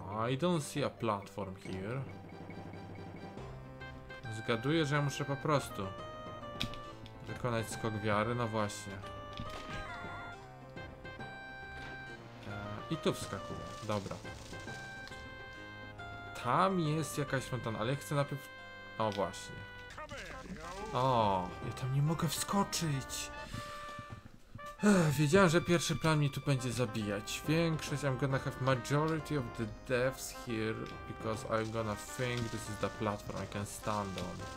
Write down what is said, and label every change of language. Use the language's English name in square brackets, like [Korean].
[English] I don't see a platform here. [Polish] Zgaduję, że ja muszę po prostu wykonać skok wiary, no właśnie. I tu wskakuję. Dobra. Tam jest jakaś fontanna, ale ja chcę najpierw... O, właśnie. O, ja tam nie mogę wskoczyć. Wiedziałem, że pierwszy plan mi tu będzie zabijać. Większość, [English] I'm gonna have majority of the deaths here, because I'm gonna think this is the platform I can stand on.